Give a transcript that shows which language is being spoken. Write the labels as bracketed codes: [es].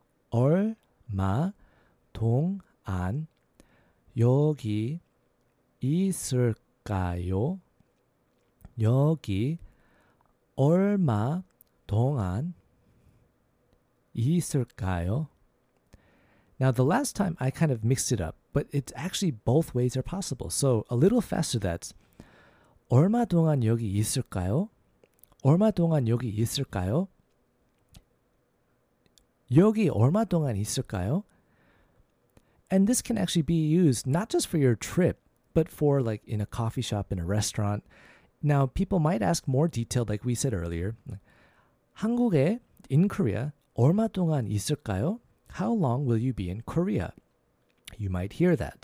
[ko] 얼마 동안 여기 있을까요? 여기 얼마 동안 있을까요? [en] Now, the last time I kind of mixed it up, but it's actually both ways are possible. So a little faster, that's [ko] 얼마 동안 여기 있을까요? 얼마 동안 여기 있을까요? 여기 얼마 동안 있을까요? [en] And this can actually be used not just for your trip, but for like in a coffee shop, in a restaurant. Now, people might ask more detailed, like we said earlier. [ko] 한국에, [en] in Korea, [ko] 얼마 동안 있을까요? [en] How long will you be in Korea? You might hear that.